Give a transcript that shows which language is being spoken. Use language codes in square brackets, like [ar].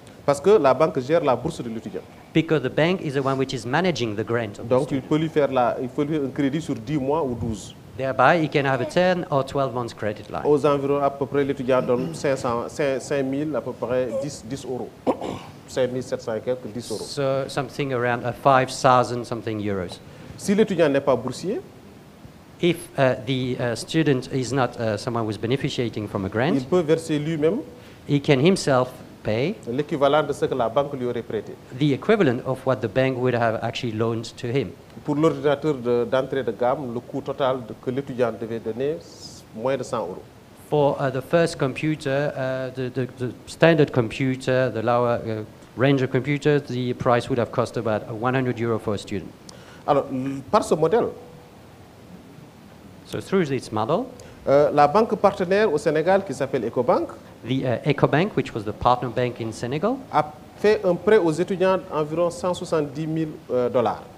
[fr] Parce que la banque gère la bourse de l'étudiant. [en] Because the bank is the one which is managing the grant of [fr] Donc, [en] the student. [fr] Donc, il faut lui faire un crédit sur 10 mois ou 12. [en] Thereby, he can have a 10 or 12 months credit line. [fr] Aux environs, à peu près, l'étudiant donne 5 000, à peu près 10 euros. 5 700 quelques 10 euros. [en] So something around 5,000 something euros. [fr] Si l'étudiant n'est pas boursier, [en] if the student is not someone who is benefiting from a grant, [fr] il peut verser lui-même. [en] He can himself pay. [fr] L'équivalent de ce que la banque lui aurait prêté. [en] The equivalent of what the bank would have actually loaned to him. [fr] Pour l'ordinateur d'entrée de gamme, le coût total que l'étudiant devait donner moins de 100 euros. [en] For the first computer, the standard computer, the lower range of computers, the price would have cost about 100 euro for a student. [fr] Alors, par ce modèle, [en] so through this model, [fr] La banque partenaire au Sénégal qui s'appelle Ecobank. [en] The Ecobank, which was the partner bank in Senegal, [fr] a fait un prêt aux étudiants d'environ 170 000 dollars.